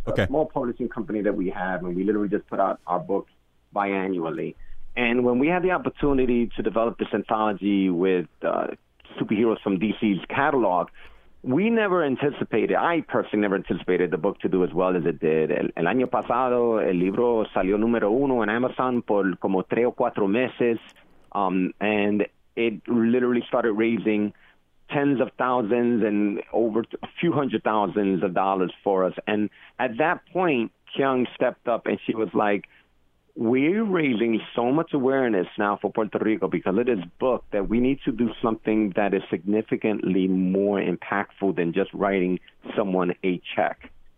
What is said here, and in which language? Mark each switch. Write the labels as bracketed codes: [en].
[en] It's a small publishing company that we have, and we literally just put out our books biannually. And when we had the opportunity to develop this anthology with superheroes from DC's catalog, we never anticipated, I personally never anticipated the book to do as well as it did. [es] El año pasado, el libro salió número uno en Amazon por como tres o cuatro meses. [en] And it literally started raising tens of thousands and over a few hundred thousands of dollars for us. And at that point, Kyung stepped up and she was like, we're raising so much awareness now for Puerto Rico because of this book that we need to do something that is significantly more impactful than just writing someone a check.